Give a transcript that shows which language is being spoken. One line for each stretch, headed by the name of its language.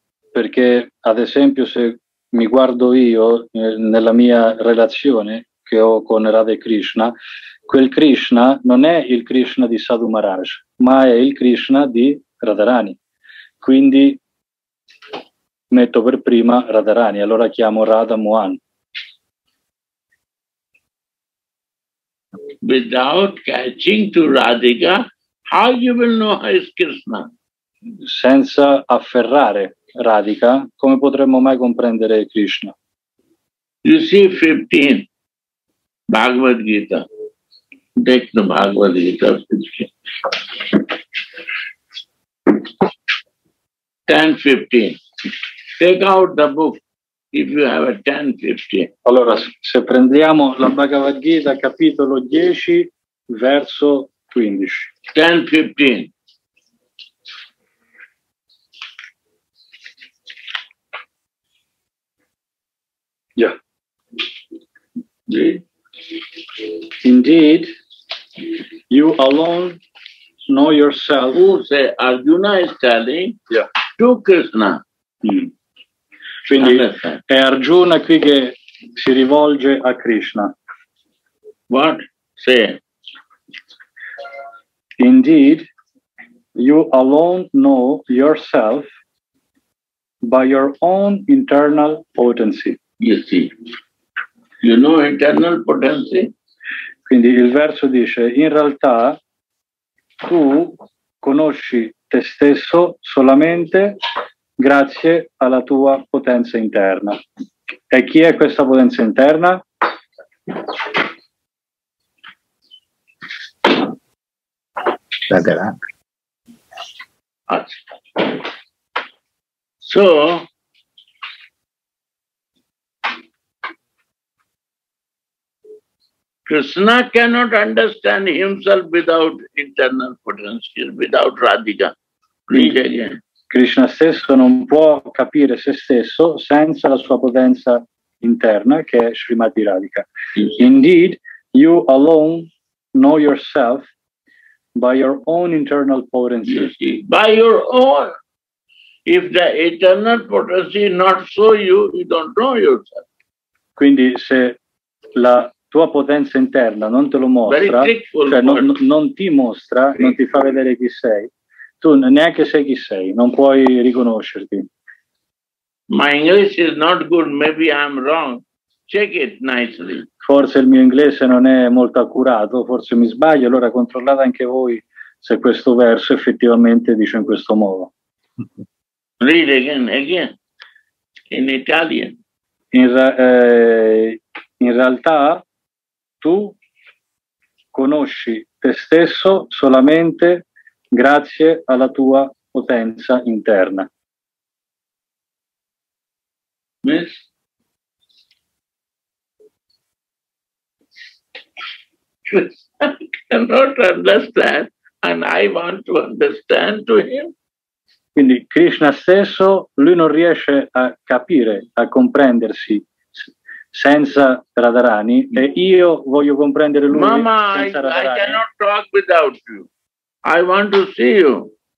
Italian: Perché, ad esempio, se mi guardo io nella mia relazione che ho con Radha e Krishna, quel Krishna non è il Krishna di Sadhu Maharaj, ma è il Krishna di Radharani. Quindi metto per prima Radharani, allora chiamo Radha Mohan.
English: Without catching to Radhika, how you will know who is Krishna?
Italian: Senza afferrare Radhika, come potremmo mai comprendere Krishna?
English: You see 15, Bhagavad Gita. Take the Bhagavad Gita. 10-15. Take out the book if you have a 10-15.
Italian: Allora, se prendiamo la Bhagavad Gita, capitolo 10, verso 15. 10-15.
English: Yeah. Indeed. Indeed, you alone know yourself. Who say Arjuna is telling to Krishna.
Italian: Quindi è Arjuna qui che si rivolge a Krishna.
English: What? Say. Indeed, you alone know yourself by your own internal potency. You see. You know internal potency?
Italian: Quindi il verso dice, in realtà tu conosci te stesso solamente grazie alla tua potenza interna. E chi è questa potenza interna?
English: So, Krishna cannot understand himself without internal potential, without Radhika.
Italian: Krishna stesso non può capire se stesso senza la sua potenza interna, che è Srimati Radhika.
English: Indeed, you alone know yourself by your own internal potency. You see, by your own. If the eternal potency is not so, you don't know yourself.
Italian: Quindi se la tua potenza interna non te lo mostra, cioè non ti mostra, non ti fa vedere chi sei, tu neanche sai chi sei, non puoi riconoscerti.
English: My English is not good, maybe I'm wrong. Check it nicely.
Italian: Forse il mio inglese non è molto accurato, forse mi sbaglio, allora controllate anche voi se questo verso effettivamente dice in questo modo.
English: Read again, in Italian.
Italian: In realtà tu conosci te stesso solamente grazie alla tua potenza interna.
English: Miss? I cannot understand and I want to understand to him.
Italian: Quindi Krishna stesso, lui non riesce a capire, a comprendersi senza Radharani e io voglio comprendere lui. Mama, senza Radharani.
English: I cannot talk without you. I want to see you.